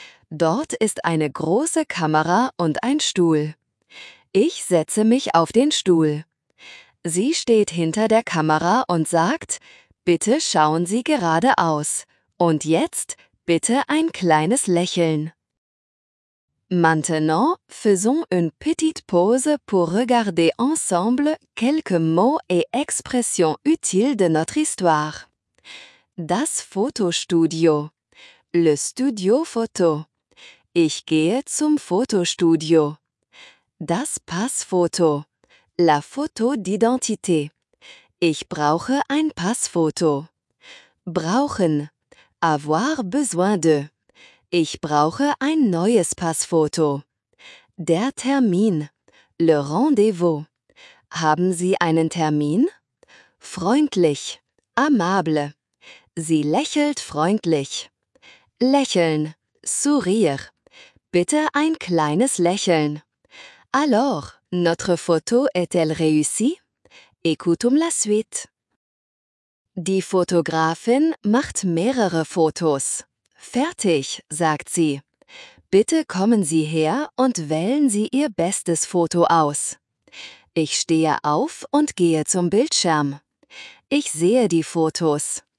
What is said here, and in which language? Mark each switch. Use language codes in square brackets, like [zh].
[de] Dort ist eine große Kamera und ein Stuhl. Ich setze mich auf den Stuhl. Sie steht hinter der Kamera und sagt, bitte schauen Sie geradeaus. Und jetzt bitte ein kleines Lächeln. [fr] Maintenant, faisons une petite pause pour regarder ensemble quelques mots et expressions utiles de notre histoire. [de] Das Fotostudio. [fr] Le studio photo. [de] Ich gehe zum Fotostudio. Das Passfoto. [fr] La photo d'identité. [de] Ich brauche ein Passfoto. Brauchen. [fr] Avoir besoin de. [de] Ich brauche ein neues Passfoto. Der Termin. [fr] Le rendez-vous. [de] Haben Sie einen Termin? Freundlich. Amable. Sie lächelt freundlich. Lächeln. Sourire. Bitte ein kleines Lächeln. [fr] Alors, notre photo est-elle réussie? Écoutons la suite. [de] Die Fotografin macht mehrere Fotos. Fertig, sagt sie. Bitte kommen Sie her und wählen Sie Ihr bestes Foto aus. Ich stehe auf und gehe zum Bildschirm. Ich sehe die Fotos.